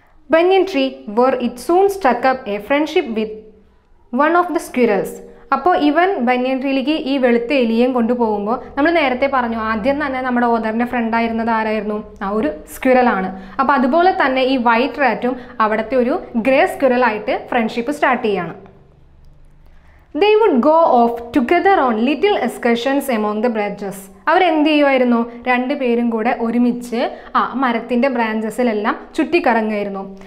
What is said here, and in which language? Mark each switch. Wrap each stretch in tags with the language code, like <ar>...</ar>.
<en>Banyan tree were it soon struck up a friendship with one of the squirrels.</en> <ml>അപ്പോൾ ഇവൻ ബനിയൻ ട്രീയിലേക്ക് ഈ വെളുത്ത എലിയും കൊണ്ടുപോകുമ്പോൾ, നമ്മൾ നേരത്തെ പറഞ്ഞു ആദ്യം തന്നെ നമ്മുടെ ഓദറിൻ്റെ ഫ്രണ്ടായിരുന്നത് ആരായിരുന്നു, ആ ഒരു സ്ക്യൂരലാണ്. അപ്പോൾ അതുപോലെ തന്നെ ഈ വൈറ്റ് റാറ്റും അവിടുത്തെ ഒരു ഗ്രേ സ്ക്യൂരലായിട്ട് ഫ്രണ്ട്ഷിപ്പ് സ്റ്റാർട്ട് ചെയ്യുകയാണ്.</ml> <en>They would go off together on little excursions among the branches.</en> <ml>അവരെന്ത് ചെയ്യുമായിരുന്നു? രണ്ട് പേരും കൂടെ ഒരുമിച്ച് ആ മരത്തിൻ്റെ ബ്രാഞ്ചസിലെല്ലാം ചുറ്റിക്കറങ്ങുമായിരുന്നു.</ml>